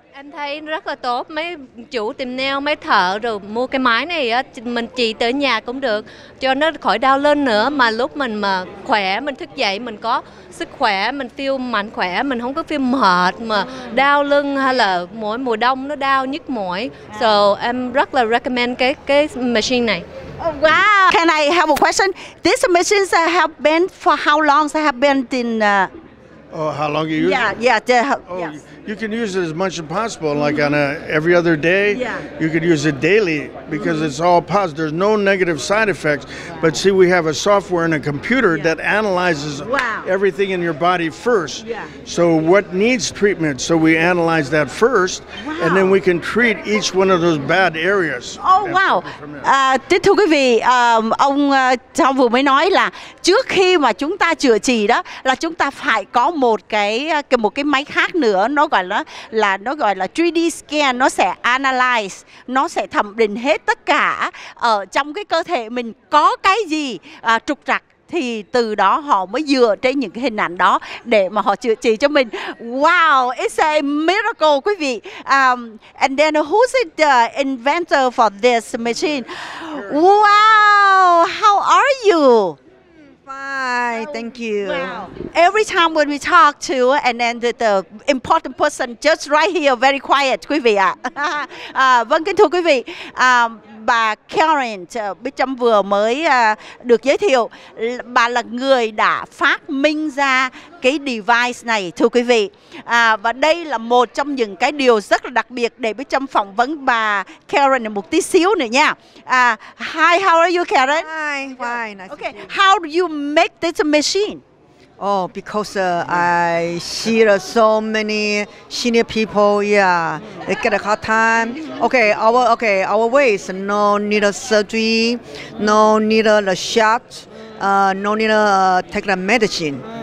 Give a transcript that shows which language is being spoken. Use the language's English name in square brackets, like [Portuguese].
[Vietnamese] Em thấy rất là tốt, mấy chủ tìm nail, mấy thợ rồi mua cái máy này á, mình chỉ tới nhà cũng được, cho nó khỏi đau lưng nữa, mà lúc mình mà khỏe, mình thức dậy, mình có sức khỏe, mình feel mạnh khỏe, mình không có feel mệt mà đau lưng hay là mỗi mùa đông nó đau nhức mỏi. So em rất là recommend cái machine này. [English] Oh, wow! Can I have a question? This machine have been for how long? It have been in... Oh, how long you use it? You can use it as much as possible, like on every other day. Yeah. You could use it daily because it's all positive. There's no negative side effects. Wow. But see, we have a software and a computer that analyzes everything in your body first. Yeah. So what needs treatment? So we analyze that first, and then we can treat each one of those bad areas. Oh, wow. [Vietnamese] Tính thưa quý vị, ông Tom vừa mới nói là trước khi mà chúng ta chữa trị đó, là chúng ta phải có một cái máy khác nữa. Nó gọi là 3D scan, nó sẽ analyze, nó sẽ thẩm định hết tất cả ở trong cái cơ thể mình có cái gì trục trặc, thì từ đó họ mới dựa trên những cái hình ảnh đó để mà họ chữa trị cho mình. [English] Wow, it's a miracle [Vietnamese] quý vị. [English] And then who's the inventor for this machine? Wow, how are you? Fine, thank you. Wow. Every time when we talk to and then the important person just right here, very quiet, [Vietnamese] quý vị ạ. Vâng, kính thưa quý vị, bà Karen, Bích Trâm vừa mới được giới thiệu, bà là người đã phát minh ra cái device này, thưa quý vị. Và đây là một trong những cái điều rất là đặc biệt để Bích Trâm phỏng vấn bà Karen một tí xíu nữa nha. [English] Hi, how are you, Karen? Hi, fine. Nice. Okay, how do you make this machine? Oh, because I see so many senior people, they get a hard time. Okay, our way is no need a surgery, no need a shot, no need to take the medicine.